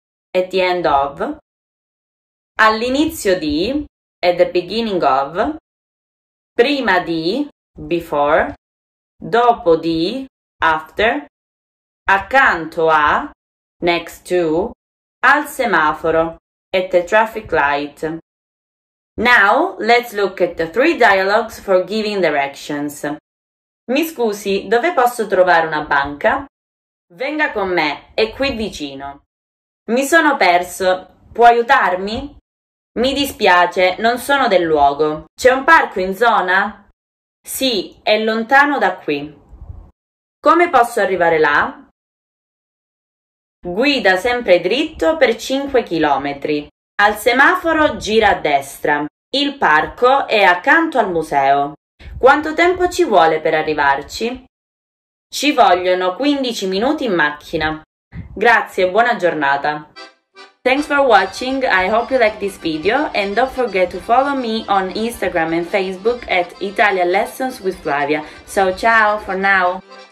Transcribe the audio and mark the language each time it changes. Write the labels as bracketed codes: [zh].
[en] At the end of. [it] All'inizio di, [en] at the beginning of, [it] prima di, [en] before, [it] dopo di, [en] after, [it] accanto a, [en] next to, [it] al semaforo, [en] at the traffic light. Now, let's look at the three dialogues for giving directions. [it] Mi scusi, dove posso trovare una banca? Venga con me, è qui vicino. Mi sono perso, può aiutarmi? Mi dispiace, non sono del luogo. C'è un parco in zona? Sì, è lontano da qui. Come posso arrivare là? Guida sempre dritto per 5 chilometri. Al semaforo gira a destra. Il parco è accanto al museo. Quanto tempo ci vuole per arrivarci? Ci vogliono 15 minuti in macchina. Grazie, buona giornata. [en] Thanks for watching, I hope you liked this video and don't forget to follow me on Instagram and Facebook at Italian Lessons with Flavia. So ciao for now!